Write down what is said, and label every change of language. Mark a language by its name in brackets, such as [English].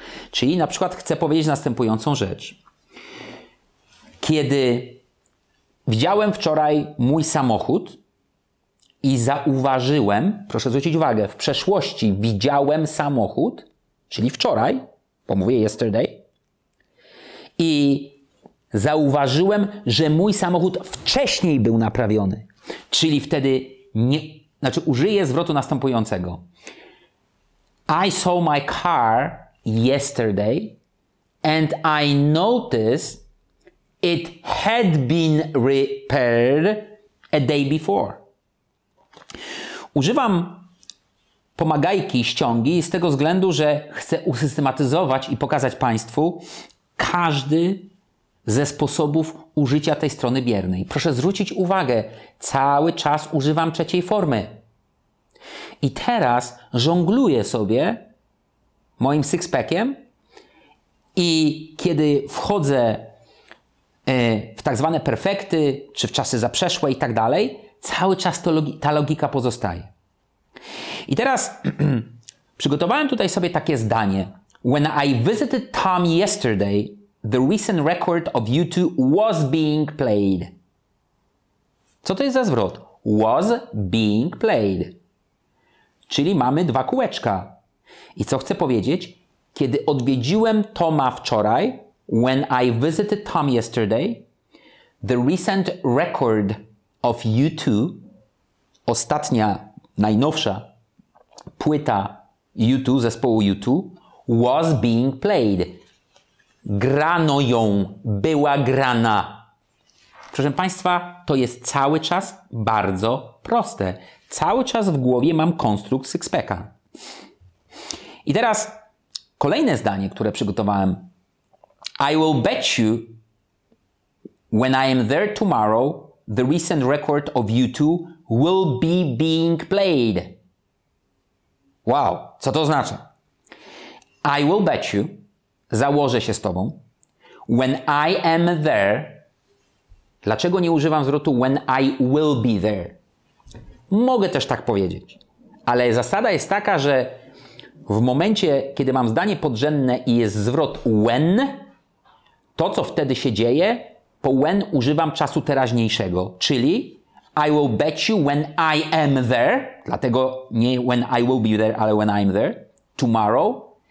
[Polish] Czyli na przykład chcę powiedzieć następującą rzecz. Kiedy widziałem wczoraj mój samochód i zauważyłem, proszę zwrócić uwagę, w przeszłości widziałem samochód, czyli wczoraj, bo mówię yesterday, i zauważyłem, że mój samochód wcześniej był naprawiony. Czyli wtedy nie, znaczy użyję zwrotu następującego. [English] I saw my car yesterday and I noticed it had been repaired a day before. [Polish] Używam pomagajki, ściągi z tego względu, że chcę usystematyzować i pokazać Państwu każdy ze sposobów użycia tej strony biernej. Proszę zwrócić uwagę, cały czas używam trzeciej formy. I teraz żongluję sobie moim six-packiem i kiedy wchodzę w tak zwane perfekty, czy w czasy zaprzeszłe i tak dalej, cały czas ta logika pozostaje. I teraz przygotowałem tutaj sobie takie zdanie. [English] When I visited Tom yesterday, the recent record of YouTube was being played. [Polish] Co to jest za zwrot? [English] Was being played. [Polish] Czyli mamy dwa kółeczka. I co chcę powiedzieć? Kiedy odwiedziłem Toma wczoraj, [English] when I visited Tom yesterday, the recent record of YouTube, [Polish] ostatnia, najnowsza płyta YouTube, zespołu YouTube, [English] was being played. [Polish] Grano ją, była grana. Proszę Państwa, to jest cały czas bardzo proste. Cały czas w głowie mam konstrukt six-packa. I teraz kolejne zdanie, które przygotowałem. [English] I will bet you, when I am there tomorrow, the recent record of YouTube will be being played. [Polish] Wow, co to oznacza? [English] I will bet you, [Polish] założę się z Tobą, [English] when I am there, [Polish] dlaczego nie używam zwrotu [English] when I will be there? [Polish] Mogę też tak powiedzieć, ale zasada jest taka, że w momencie, kiedy mam zdanie podrzędne i jest zwrot when, to co wtedy się dzieje, po when używam czasu teraźniejszego, czyli [English] I will bet you when I am there, [Polish] dlatego nie [English] when I will be there, [Polish] ale [English] when I'm there, tomorrow.